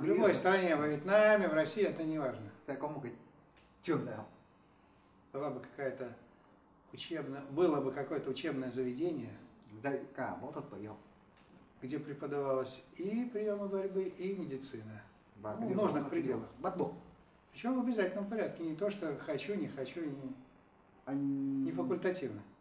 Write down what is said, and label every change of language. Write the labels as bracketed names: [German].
[Russian] Mỹ. В любой стране, в Вьетнаме, в России, это не важно. [Vietnamese] Sẽ có một cái trường đại học. [Russian] Была бы какая-то учебная, было бы какое-то учебное заведение. [Vietnamese] Dạy cả võ thuật và y học. [Russian] Где преподавалось и приемы борьбы, и медицина. Ну, в нужных пределах. Причем в обязательном порядке. Не то, что хочу, не хочу, не факультативно.